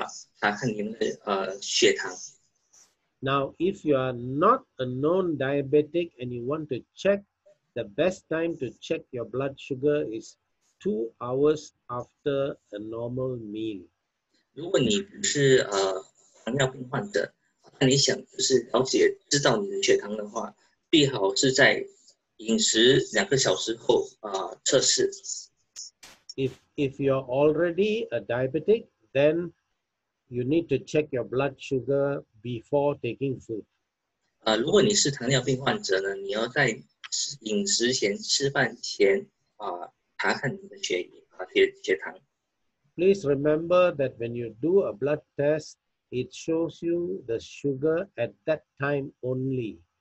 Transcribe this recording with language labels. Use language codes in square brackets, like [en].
[zh] 我们可以确认的是要查看您的血糖。 [en] Now, if you are not a known diabetic and you want to check, the best time to check your blood sugar is 2 hours after a normal meal. [zh] 如果你不是糖尿病患者，那你想就是了解知道你的血糖的话，最好是在饮食2个小时后测试。 [en] If you are already a diabetic, then you need to check your blood sugar before taking food. [zh] 如果你是糖尿病患者呢，你要在饮食前、吃饭前查看你的血糖。 [en] Please remember that when you do a blood test, it shows you the sugar at that time only.